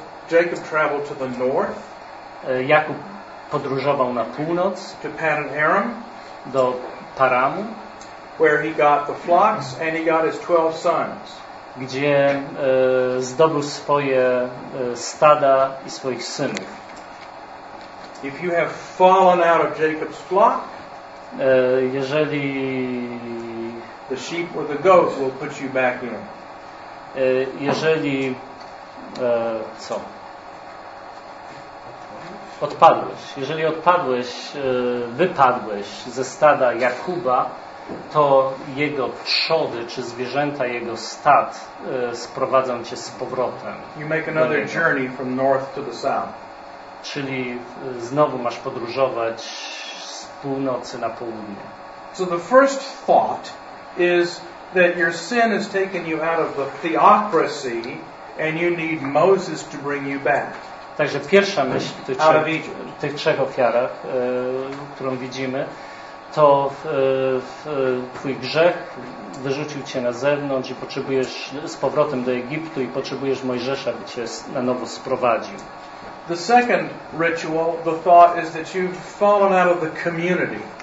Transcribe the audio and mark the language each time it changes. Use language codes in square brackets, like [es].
[en] Jacob traveled to the north. [pl] Jakub podróżował na północ [en] to Paddan Aram, [pl] do Paramu, [en] where he got the flocks and he got his 12 sons. [pl] Gdzie zdobył swoje stada i swoich synów. [en] If you have fallen out of Jacob's flock, [pl] jeżeli [en] the sheep or the goats will put you back in. [pl] Jeżeli co? Odpadłeś. Jeżeli odpadłeś, wypadłeś ze stada Jakuba, to jego trzody czy zwierzęta jego stad sprowadzą cię z powrotem. [en] You make another journey from north to the south. [pl] Czyli znowu masz podróżować z północy na południe. [en] So the first thought is that your sin has taken you out of the theocracy and you need Moses to bring you back. [pl] Także pierwsza myśl tych trzech ofiarach, którą widzimy, to twój grzech wyrzucił cię na zewnątrz i potrzebujesz z powrotem do Egiptu i potrzebujesz Mojżesza, by cię na nowo sprowadził. [en] The second ritual, the thought is that you've fallen out of the community.